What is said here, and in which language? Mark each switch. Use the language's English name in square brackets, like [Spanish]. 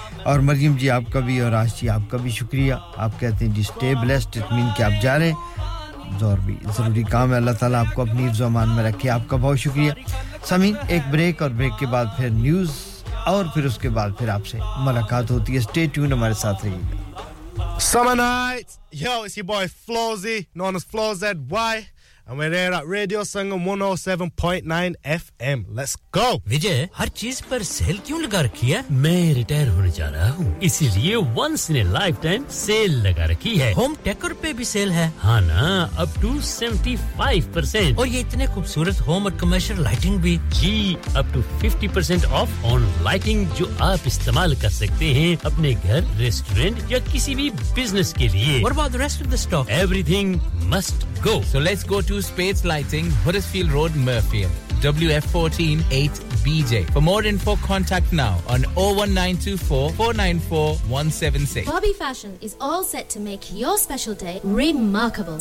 [Urdu] اور مریم جی آپ کا بھی اور آج جی آپ کا بھی شکریہ آپ کہتے ہیں جی سٹے بلیسٹ اطمین کہ آپ جا رہے ہیں اور بھی ضروری کام ہے اللہ تعالیٰ آپ کو اپنی حفظ و امان میں رکھے آپ کا بہت شکریہ سامین ایک بریک اور بریک کے بعد پھر نیوز اور پھر اس کے بعد پھر آپ سے ملاقات ہوتی ہے سٹے ٹیون ہمارے ساتھ رہیے گا [English] Summer night Yo, it's your boy Flozy known as FlozZY and we're here at Radio Sangam 107.9 FM Let's go [Urdu] Vijay, ہر چیز پر سیل کیوں لگا رکھی ہے میں ریٹائر ہونے جا رہا ہوں اسی لیے [English] once in a lifetime [Urdu] cell لگا رکھی ہے ہوم ٹیکر پہ بھی سیل ہے ہاں نا [English] up to 75% [Urdu] اور یہ اتنے خوبصورت ہوم اور کمرشل لائٹنگ بھی جی [English] up to 50% off on lighting [Urdu] جو آپ استعمال کر سکتے ہیں اپنے گھر ریسٹورنٹ یا کسی بھی بزنس کے لیے [English] What about the rest of the stock? Everything must go So let's go to Spades Lighting Huddersfield Road Murfield WF14 8BJ. For more info, contact now on 01924-494-176. Bobby Fashion is all set to make your special day remarkable.